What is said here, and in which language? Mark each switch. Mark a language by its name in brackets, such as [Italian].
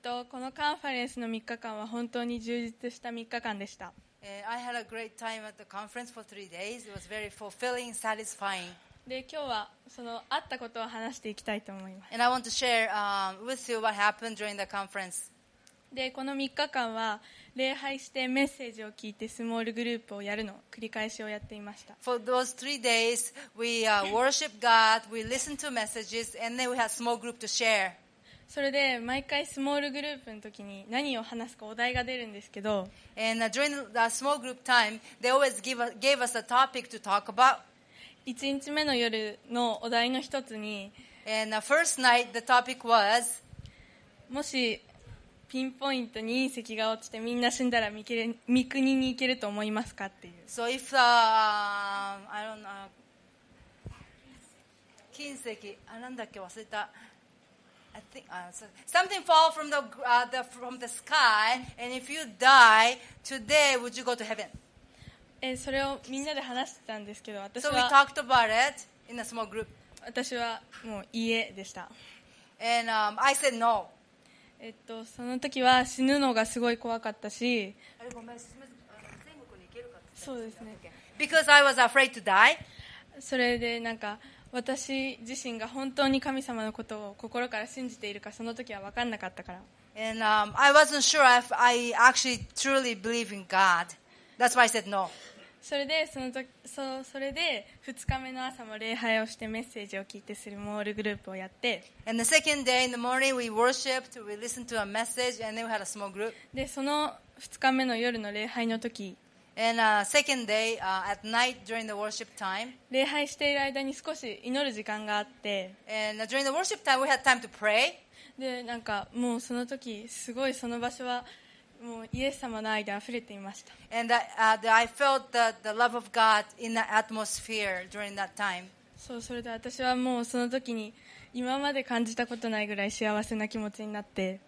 [Japanese] このカンファレンスの3日間は本当に充実した3日間でした。 [English] I had a great time at the conference for 3 days. It was very fulfilling, satisfying. [Japanese] で、今日はそのあったことを話していきたいと思います。 [English] And I want to share, with you what happened during the conference. [Japanese] で、この3日間は礼拝してメッセージを聞いてスモールグループをやるの繰り返しをやっていました。 [English] For those 3 days, we worshiped God, we listened to messages, and then we had small group to share. [Japanese] それで毎回スモールグループの時に何を話すかお題が出るんですけど、 [English] And during the small group time, they always gave us a topic to talk about. [Japanese] 1日目の夜のお題の一つに、 [English] And the first night, the topic was, [Japanese] もしピンポイントに隕石が落ちてみんな死んだら御国に行けると思いますかっていう。 [English] So if, I don't know, [Japanese] 金石、なんだっけ忘れた。 [English] I think, something fall from the, from the sky, and if you die today, would you go to heaven? [Japanese] それをみんなで話してたんですけど、私は、 [English] So we talked about it in a small group. [Japanese] 私はもういいえでした。 [English] And, I said no. [Japanese] その時は死ぬのがすごい怖かったし、あれごめん、すみません、天国に行けるかって。 そうですね。 [English] Because I was afraid to die. [Japanese] それでなんか、私自身が本当に神様のことを心から信じているかその時は分からなかったから。 [English] And, I wasn't sure if I actually truly believe in God. That's why I said no. [Japanese] それで2日目の朝も礼拝をしてメッセージを聞いてスモールグループをやって。 [English] And the second day in the morning we worshipped, we listened to a message, and then we had a small group. [Japanese] で、その2日目の夜の礼拝の時、礼拝している間に少し祈る時間があって、 [English] and, during the worship time, we had time to pray. [Japanese] で、なんかもうその時すごいその場所はもうイエス様の愛で溢れていました。 [English] And that, I felt the love of God in the atmosphere during that time. [Japanese] そう、それで私はもうその時に今まで感じたことないぐらい幸せな気持ちになって、